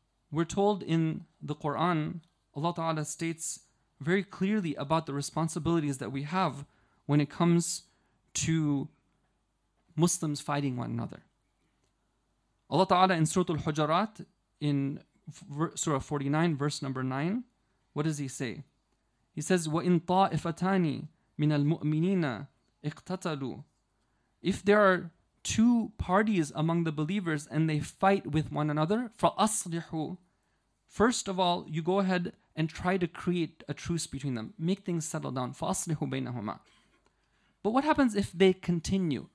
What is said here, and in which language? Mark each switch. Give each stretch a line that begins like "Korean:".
English: We're told in the Quran, Allah Ta'ala states very clearly about the responsibilities that we have when it comes to Muslims fighting one another. Allah Ta'ala in Surah Al-Hujarat, in Surah 49, verse number 9, what does he say? He says,
Arabic: وَإِن طَائِفَتَانِ مِنَ الْمُؤْمِنِينَ اِقْتَتَلُوا.
English: If there are two parties among the believers and they fight with one another,
Arabic: فَأَصْلِحُ.
English: First of all, you go ahead and try to create a truce between them. Make things settle down.
Arabic: فَأَصْلِحُ بَيْنَهُمَا.
English: But what happens if they continue?